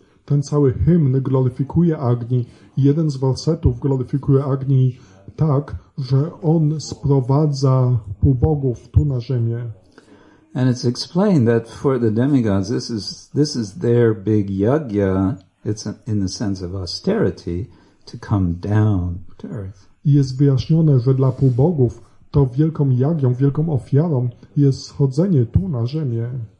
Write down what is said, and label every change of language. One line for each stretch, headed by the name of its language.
Polish: Ten cały hymn gloryfikuje Agni. Jeden z wersetów gloryfikuje Agni tak, że on sprowadza półbogów tu na ziemię.
English: And it's explained that for the demigods, this is their big yagya. It's in the sense of austerity to come down to earth.
Polish: Jest wyjaśnione, że dla półbogów to wielką jagią, wielką ofiarą jest schodzenie tu na ziemię.